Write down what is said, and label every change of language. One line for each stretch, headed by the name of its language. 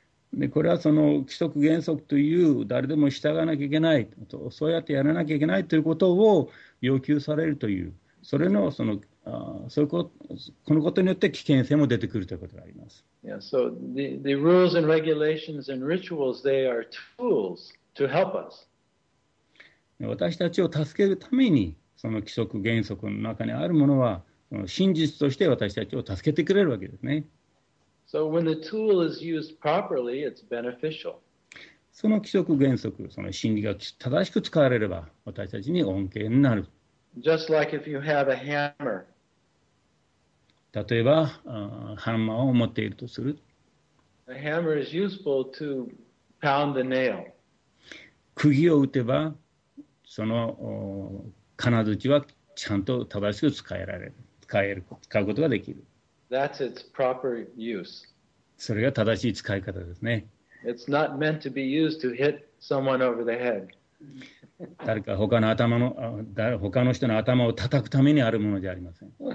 Japanese: でこれはその規則原則という誰でも従わなきゃいけないとそうやってやらなきゃいけないということを要求されるというそれのそのあそういうこ、このことによって危険性も出てくるということがあります。
English: Yeah, so the rules and regulations and rituals, they are tools to help us.
Japanese: 私たちを助けるためにその規則原則の中にあるものはその真実として私たちを助けてくれるわけですね。
English: So when the tool is used properly, it's beneficial.
Japanese: その規則原則、その真理が正しく使われれば、私たちに恩恵になる。
English: Just like if you have a hammer.
Japanese: 例えば、ハンマーを持っているとする。
English: A hammer is useful to pound the nail.
Japanese: 釘を打てば、その金槌はちゃんと正しく使えられる、使える、使うことができる。
English: That's its proper use.
Japanese: それが正しい使い方ですね。
English: It's not meant to be used to hit someone over the head.
Japanese: 誰か他の頭の、他の人の頭を叩くためにあるものじゃありません。